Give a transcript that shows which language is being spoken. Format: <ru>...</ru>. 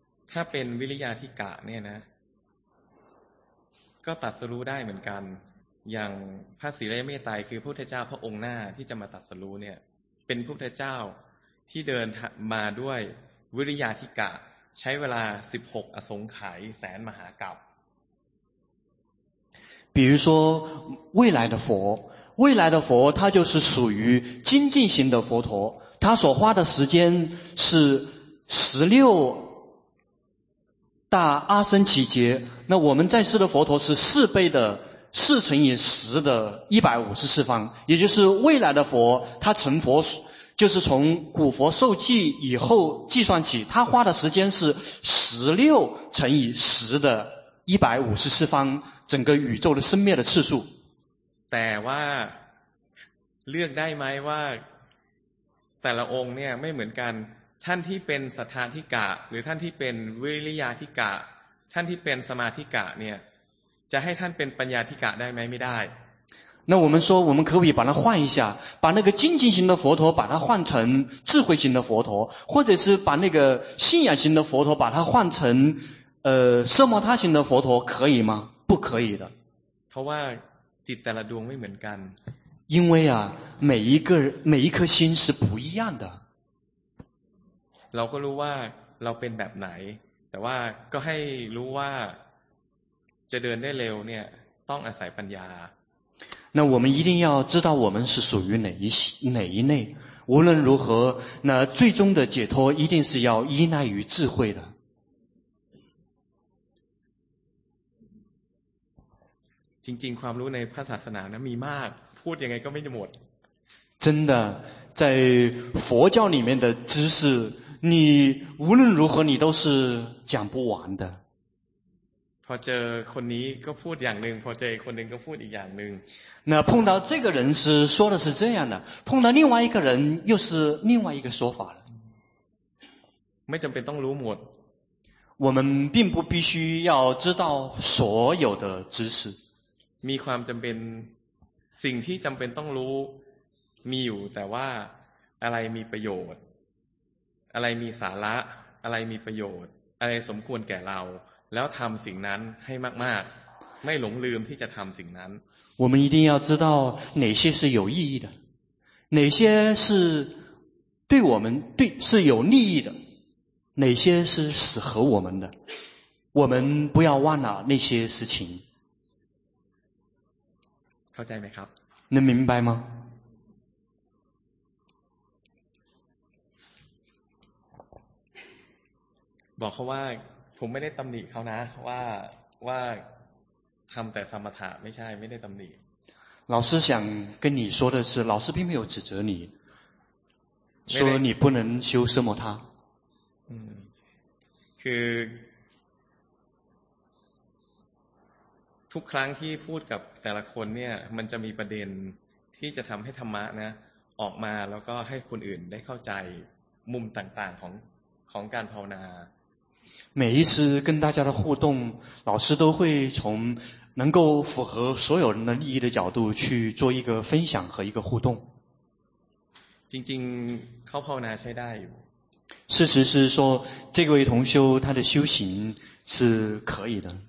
<th>ถ้าเป็นวิริยาธิกะเนี่ยนะก็ตัดสรู้ได้เหมือนกันอย่างพระศรีไรยเมตไตรคือพระพุทธเจ้าพระองค์หน้าที่จะมาตัดสรู้เนี่ยเป็นพระพุทธเจ้าที่เดินมาด้วยวิริยาธิกะใช้เวลา16อสงไขยแสนมหากัป ปีรู้ซอ</th> <zh>未来的佛未来的佛他就是属于精进型的佛陀他所花的时间是16 大阿僧祇劫那我们在世的佛陀是四倍的四乘以十的154方也就是未来的佛他成佛就是从古佛受记以后计算起他花的时间是16乘以十的154方整个宇宙的生灭的次数</zh> <th>แต่ว่าเลือกได้ไหมว่าแต่ละองค์เนี่ยไม่เหมือนกันท่านที่เป็นศรัทธาธิกะหรือท่านที่เป็นวิริยาธิกะท่านที่เป็นสมาธิกะเนี่ยจะให้ท่านเป็นปัญญาธิกะได้ไหมไม่ได้</th> <zh>那我们说我们可以把它换一下把那个精进型的佛陀把它换成智慧型的佛陀或者是把那个信仰型的佛陀把它换成奢摩他型的佛陀可以吗不可以的</zh> <th>เพราะว่าจิตแต่ละดวงไม่เหมือนกัน</th> <zh>因为啊每一颗心是不一样的</zh> <th>เราก็รู้ว่าเราเป็นแบบไหนแต่ว่าก็ให้รู้ว่าจะเดินได้เร็วเนี่ยต้องอาศัยปัญญา</th> <zh>那我们一定要知道我们是属于哪一类无论如何那最终的解脱一定是要依赖于智慧的</zh> <th>จริงๆความรู้ในพระศาสนานะมีมากพูดยังไงก็ไม่จะหมด</th> <zh>真的在佛教里面的知识你无论如何你都是讲不完的</zh> <th>พอเจอคนนี้ก็พูดอย่างนึงพอเจอคนนึงก็พูดอีกอย่างนึง</th> <zh>那碰到这个人是说的是这样的碰到另外一个人又是另外一个说法了</zh> <th>ไม่จำเป็นต้องรู้หมด</th> <zh>我们并不必须要知道所有的知识</zh> <th>มีความจำเป็นสิ่งที่จำเป็นต้องรู้มีอยู่แต่ว่าอะไรมีประโยชน์อะไรมีสาระอะไรมีประโยชน์อะไรสมควรแก่เราแล้วทำสิ่งนั้นให้มากๆไม่หลงลืมที่จะทำสิ่งนั้น</th> <zh>我们一定要知道哪些是有意义的哪些是对我们对是有利益的哪些是适合我们的我们不要忘了那些事情</zh> <th>เข้าใจไหมครับ</th> <zh>能明白吗</zh> <th>บอกเขาว่าผมไม่ได้ตำหนิเขานะว่าทำแต่สมถะไม่ใช่ไม่ได้ตำหนิ</th> <zh>老师想跟你说的是老师并没有指责你说你不能修奢摩他</zh> <th>คือทุกครั้งที่พูดกับแต่ละคนเนี่ยมันจะมีประเด็นที่จะทำให้ธรรมะนะออกมาแล้วก็ให้คนอื่นได้เข้าใจมุมต่างๆของการภาวนา</th> <zh>每一次跟大家的互动老师都会从能够符合所有人的利益的角度去做一个分享和一个互动</zh> <th>จริงๆเข้าภาวนาใช้ได้</th> <zh>事实是说这位同修他的修行是可以的</zh>